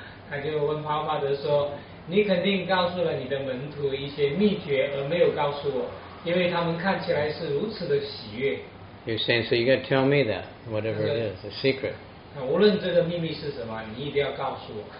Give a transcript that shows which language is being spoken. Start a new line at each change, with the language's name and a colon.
Chinese: 他就问帕帕德说你肯定告诉了你的门徒一些秘诀而没有告诉我因为他们看起来是如此的喜悦
English: You're saying, so you got to tell me that, whatever it is, a secret.
Chinese: 无论这个秘密是什么你一定要告诉我